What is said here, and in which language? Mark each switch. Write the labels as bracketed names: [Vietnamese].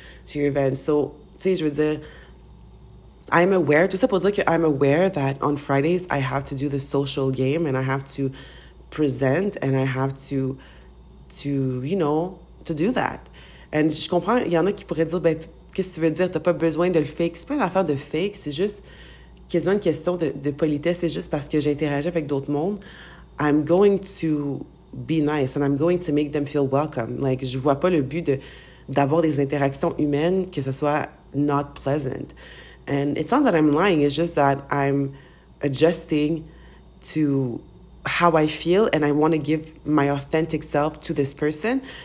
[English] So, tu sais, je veux dire, I'm aware, tout ça pour dire que I'm aware that on Fridays I have to do the social game and I have to present and I have to you know, to do that. [French] And je comprends, il y en a qui pourraient dire, ben, qu'est-ce que tu veux dire? T'as pas besoin de le fake. C'est pas une affaire de fake, c'est juste quasiment une question de politesse. C'est juste parce que j'interagis avec d'autres mondes. [English] I'm going to be nice and I'm going to make them feel welcome. [French] Like, je vois pas le but d'avoir des interactions humaines que ce soit not pleasant. [English] And it's not that I'm lying, it's just that I'm adjusting to how I feel and I want to give my authentic self to this person.